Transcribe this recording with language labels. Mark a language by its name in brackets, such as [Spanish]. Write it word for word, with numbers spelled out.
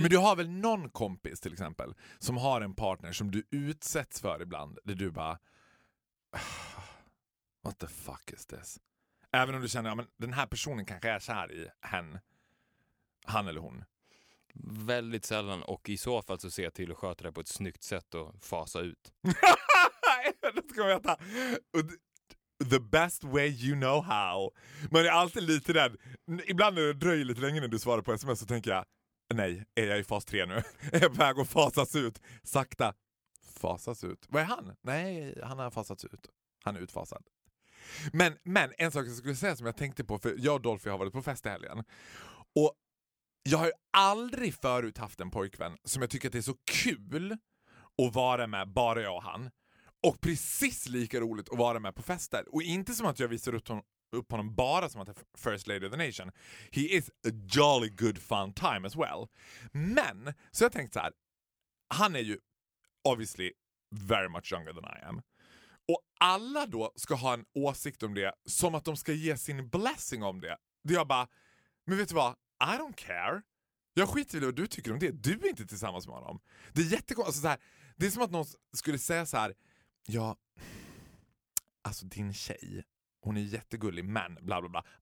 [Swedish] Men du har väl någon kompis till exempel som har en partner som du utsätts för ibland där du bara [English] what the fuck is this? [Swedish] Även om du känner, ja, men den här personen kanske är kär i hen. Han eller hon. Väldigt sällan, och i så fall så ser jag till att sköta det på ett snyggt sätt och fasa ut. Det ska man veta. Och d- [English] The best way you know how. [Swedish] Man är alltid lite rädd. N- Ibland när det dröjer lite längre när du svarar på sms så tänker jag nej, är jag i fas tre nu? Är jag på väg att fasas ut? Sakta, fasats ut. Vad är han? Nej, han har fasats ut. Han är utfasad. Men, men en sak som jag skulle säga som jag tänkte på, för jag och Dolphy har varit på fest i helgen. Och jag har ju aldrig förut haft en pojkvän som jag tycker att det är så kul att vara med, bara jag och han. Och precis lika roligt att vara med på fester. Och inte som att jag visar upp honom, upp honom bara som att han är [English] first lady of the nation. He is a jolly good fun time as well. [Swedish] Men, så jag tänkte så här. Han är ju [English] obviously very much younger than I am. [Swedish] Och alla då ska ha en åsikt om det som att de ska ge sin blessing om det. Det jag bara, men vet du vad? [English] I don't care. [Swedish] Jag skiter i vad du tycker om det. Du är inte tillsammans med honom. Det är jättekonstigt. Alltså så här, det är som att någon skulle säga så här. Ja, alltså din tjej. Hon är jättegullig, men bla bla bla.